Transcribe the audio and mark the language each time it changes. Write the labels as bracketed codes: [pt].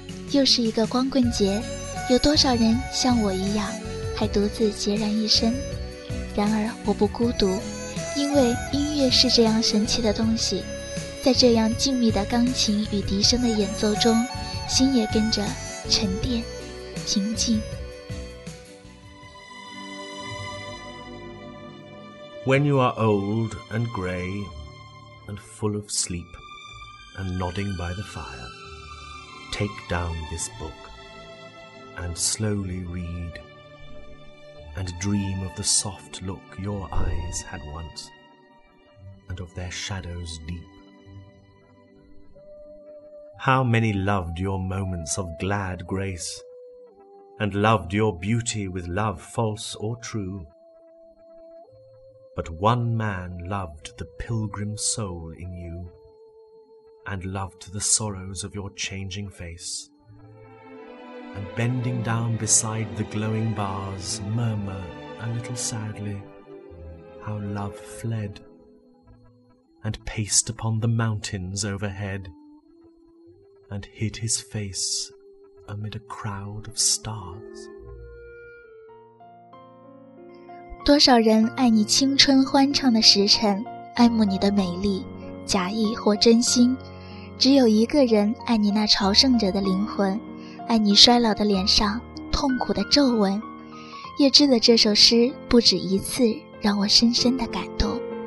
[zh] 又是一个光棍节，有多少人像我一样还独自孑然一身。然而我不孤独，因为音乐是这样神奇的东西，在这样静谧的钢琴与笛声的演奏中，心也跟着沉淀平静。 [en] When you are old and gray and full of sleep and nodding by the fire, take down this book and slowly read and dream of the soft look your eyes had once and of their shadows deep. How many loved your moments of glad grace and loved your beauty with love false or true? But one man loved the pilgrim soul in you, and loved the sorrows of your changing face, and bending down beside the glowing bars, murmur a little sadly how love fled, and paced upon the mountains overhead, and hid his face amid a crowd of stars. [zh] 多少人爱你青春欢畅的时辰，爱慕你的美丽，假意或真心，只有一个人爱你那朝圣者的灵魂，爱你衰老的脸上痛苦的皱纹。叶芝的这首诗不止一次让我深深的感动。